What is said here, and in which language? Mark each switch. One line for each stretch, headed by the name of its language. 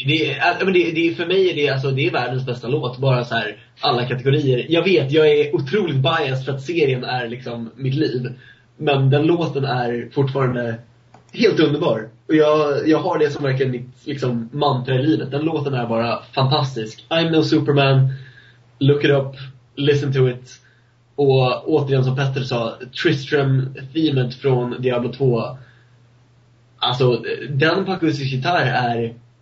Swedish: Det för mig är det, alltså, det är världens bästa låt. Bara så här, alla kategorier. Jag vet, jag är otroligt biased för att serien är liksom mitt liv. Men den låten är fortfarande helt underbar. Och jag har det som verkligen mitt liksom mantra i livet. Den låten är bara fantastisk.
English: I'm No Superman, look it up, listen to it.
Swedish: Och återigen som Petter sa, Tristram-themet från Diablo 2. Alltså, den på akustisk gitarr är...